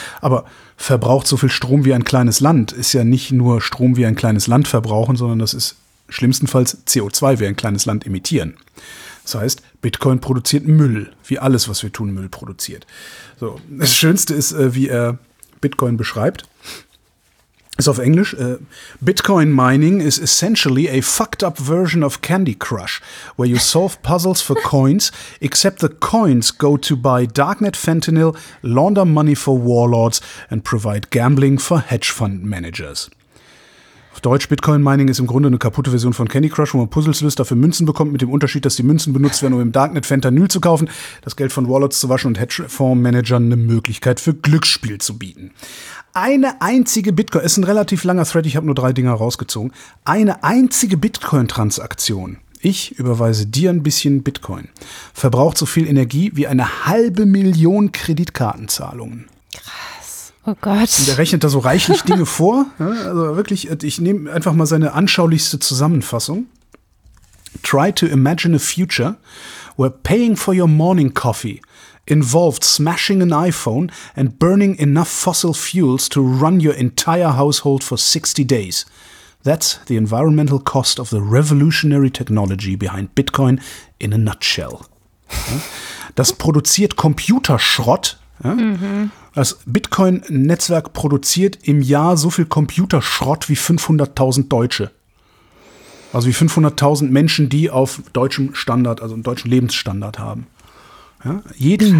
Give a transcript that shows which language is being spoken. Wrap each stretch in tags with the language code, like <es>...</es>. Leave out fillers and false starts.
<de>Aber verbraucht so viel Strom wie ein kleines Land ist ja nicht nur Strom wie ein kleines Land verbrauchen, sondern das ist schlimmstenfalls CO2 wie ein kleines Land emittieren. Das heißt, Bitcoin produziert Müll, wie alles, was wir tun, Müll produziert. So, das Schönste ist, wie er Bitcoin beschreibt. Ist auf Englisch.</de> <en>Bitcoin mining is essentially a fucked up version of Candy Crush, where you solve puzzles for coins, except the coins go to buy darknet fentanyl, launder money for warlords and provide gambling for hedge fund managers.</en> <de>Auf Deutsch, Bitcoin Mining ist im Grunde eine kaputte Version von Candy Crush, wo man Puzzles löst, dafür Münzen bekommt, mit dem Unterschied, dass die Münzen benutzt werden, um im Darknet Fentanyl zu kaufen, das Geld von Wallets zu waschen und Hedgefondsmanagern eine Möglichkeit für Glücksspiel zu bieten. Eine einzige Bitcoin, ist ein relativ langer Thread, ich habe nur drei Dinger rausgezogen. Eine einzige Bitcoin-Transaktion. Ich überweise dir ein bisschen Bitcoin. Verbraucht so viel Energie wie eine 500.000 Kreditkartenzahlungen. Krass. Oh Gott. Und er rechnet da so reichlich Dinge vor. Also wirklich, ich nehme einfach mal seine anschaulichste Zusammenfassung.</de> <en>Try to imagine a future where paying for your morning coffee involved smashing an iPhone and burning enough fossil fuels to run your entire household for 60 days. That's the environmental cost of the revolutionary technology behind Bitcoin in a nutshell.</en> <de>Das produziert Computerschrott. Das Bitcoin-Netzwerk produziert im Jahr so viel Computerschrott wie 500.000 Deutsche. Also wie 500.000 Menschen, die auf deutschem Standard, also einen deutschen Lebensstandard haben. Ja, jeden Krass.</de>